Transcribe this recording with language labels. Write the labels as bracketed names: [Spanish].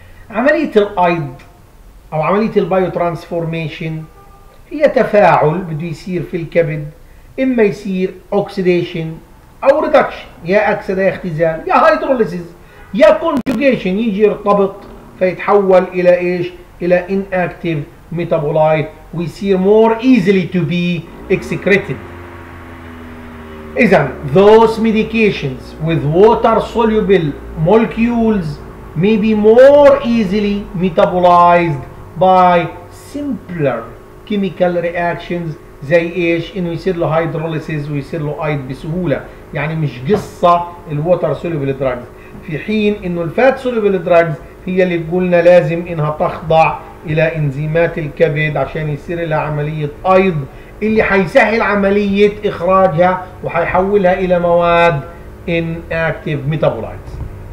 [Arabic] عملية الأيض أو عملية البايو ترانسفورميشن هي تفاعل بده يصير في الكبد، إما يصير أوكسيديشن أو ريدكشن، يا أكسدة يا اختزال يا هيدروليسيز يا كونجوجيشن، يجي يرتبط فيتحول إلى إيش؟ إلى [English] inactive metabolite [Arabic] ويصير [English] more easily to be excreted. إذن those medications with water soluble molecules may be more easily metabolized by simpler chemical reactions. [Arabic] زي إيش؟ إنه يصير له hydrolysis ويصير له أيض بسهولة، يعني مش قصة ال [English] water soluble drugs، [Arabic] في حين إنه الفات soluble drugs هي اللي قلنا لازم انها تخضع الى انزيمات الكبد عشان يصير لها عملية ايض اللي حيسهل عملية اخراجها وحيحولها الى مواد [English] inactive metabolites.